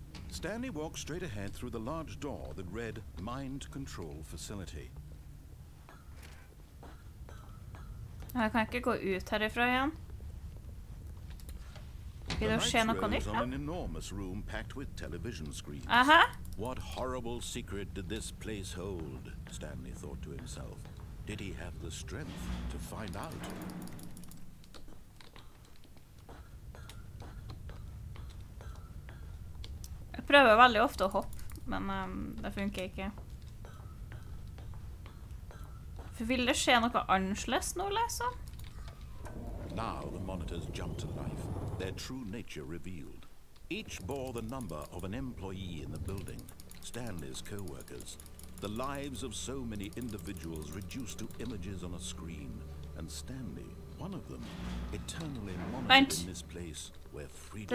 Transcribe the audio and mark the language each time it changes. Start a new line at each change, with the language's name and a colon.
English: Stanley walked straight ahead through the large door that read Mind Control Facility.
Norwegian: Jeg kan ikke gå ut herifra igjen. Vil det skje noe nytt?
English: An enormous room packed with television screens. Aha. What horrible secret did this place hold? Stanley thought to himself. Did he have the strength to find out?
Norwegian: Jeg prøver veldig ofte å hoppe, men det funker ikke. For vil det skje noe annerledes nå, liksom?
English: Now the monitors jumped to life, their true nature revealed. Each bore the number of an employee in the building, Stanley's co-workers. The lives of so many individuals reduced to images on a screen, and Stanley, one of them, eternally monitored in this place where freedom...